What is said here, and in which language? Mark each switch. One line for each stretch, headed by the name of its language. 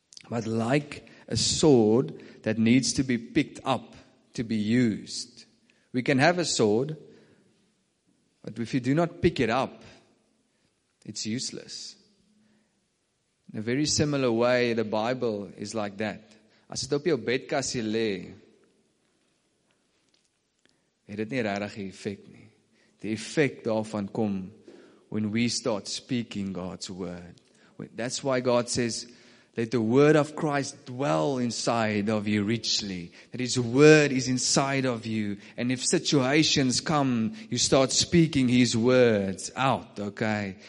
English: But like a sword that needs to be picked up to be used. We can have a sword, but if you do not pick it up, it's useless. In a very similar way, the Bible is like that.
Afrikaans: As dit op jou bedkassie lê, het dit nie regtig 'n effek nie.
English: The effect
Afrikaans: daarvan kom
English: when we start speaking God's word. That's why God says, let the word of Christ dwell inside of you richly. That his word is inside of you. And if situations come, you start speaking his words out, okay?